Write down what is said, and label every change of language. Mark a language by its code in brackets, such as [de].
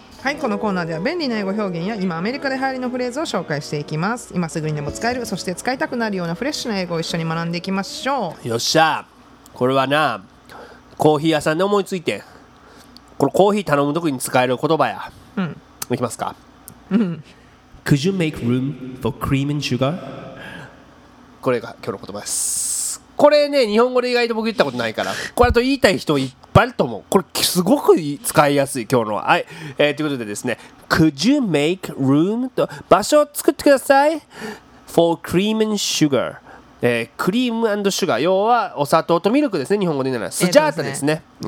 [ja] はい、このコーナーでは便利な英語表現や今アメリカで流行りのフレーズを紹介していきます。今すぐにでも使える、そして使いたくなるようなフレッシュな英語を一緒に学んでいきましょう。よっしゃ、これはな、コーヒー屋さんで思いついて、このコーヒー頼むときに使える言葉や。うん、いきますか。うん、 [en] Could you make room for cream and sugar? [ja] これが今日の言葉です。これね、日本語で意外と僕言ったことないから、これと言いたい人いっぱいあると思う。これすごく使いやすい、今日のは。はい、ということでですね、 [en] Could you make room [ja] と、場所を作ってください、 [en] for cream and sugar、 [ja] クリーム&シュガー、要はお砂糖とミルクですね、日本語で言うならスジャータですね、